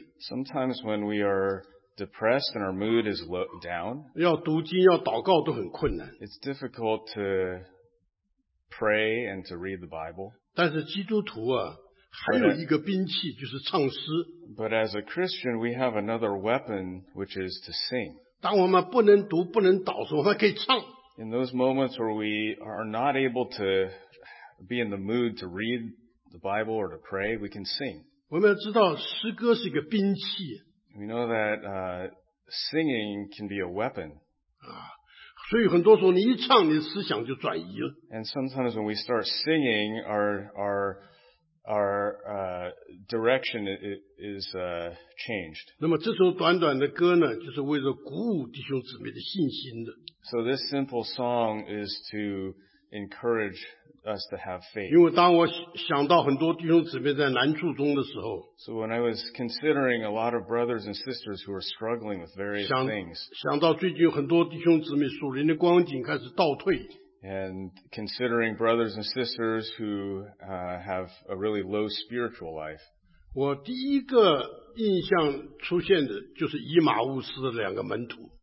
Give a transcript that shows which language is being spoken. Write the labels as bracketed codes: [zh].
[en] Sometimes when we are depressed and our mood is down. [zh] 要读经要祷告都很困难。 [en] It's difficult to pray and to read the Bible. [zh] 但是基督徒啊。还有一个兵器就是唱诗。 [en] But as a Christian, we have another weapon, which is to sing. [zh] 当我们不能读、不能祷时，我们可以唱。 [en] In those moments where we are not able to be in the mood to read the Bible or to pray, we can sing. [zh] 我们要知道，诗歌是一个兵器。 [en] We know that singing can be a weapon. [zh] 所以很多时候，你一唱，你的思想就转移了。 [en] And sometimes when we start singing, our direction is changed. [zh] 那么这首短短的歌呢，就是为了鼓舞弟兄姊妹的信心的。 [en] So this simple song is to encourage us to have faith. [zh] 因为当我想到很多弟兄姊妹在难处中的时候 [en] ，So when I was considering a lot of brothers and sisters who are struggling with various things, [zh] 想到最近很多弟兄姊妹属灵的光景开始倒退。 [en] And considering brothers and sisters who have a really low spiritual life. [zh] 我第一个印象出现的就是以马忤斯的两个门徒。